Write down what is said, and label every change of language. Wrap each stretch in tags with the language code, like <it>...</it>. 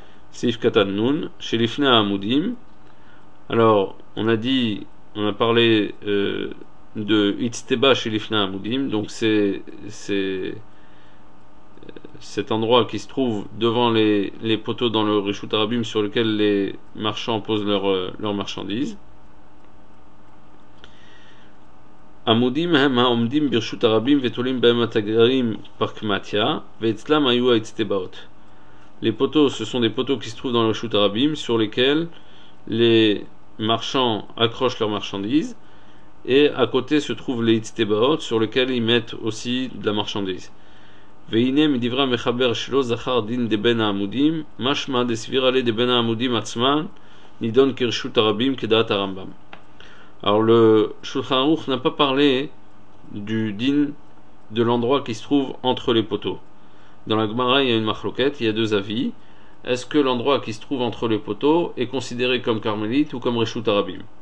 <he>Sif katan nun, shelifna amudim.</he> <fr>Alors, on a parlé de itzteba shelifna amudim, donc c'est cet endroit qui se trouve devant les poteaux dans le Reshut Arabim sur lequel les marchands posent leurs marchandises.</fr> <he>עמודים הם העומדים ברשות הרבים ותולים בהם התגרים פרקמטיה ואצלם היו האצטבעות.</he> <fr>Les poteaux, ce sont des poteaux qui se trouvent dans le Reshut Arabim sur lesquels les marchands accrochent leurs marchandises, et à côté se trouvent les אצטבעות sur lesquels ils mettent aussi de la marchandise.</fr> <he>והנה מדברי המחבר שלא זכר דין דבין העמודים משמע דסבירא ליה דבין העמודים עצמן נידון כרשות הרבים כדעת הרמב״ם.</he> <fr>Alors le Shulchan Aruch n'a pas parlé du din de l'endroit qui se trouve entre les poteaux. Dans la Gemara, il y a une machloquette, il y a deux avis. Est-ce que l'endroit qui se trouve entre les poteaux est considéré comme carmélite ou comme Reshut Arabim?</fr>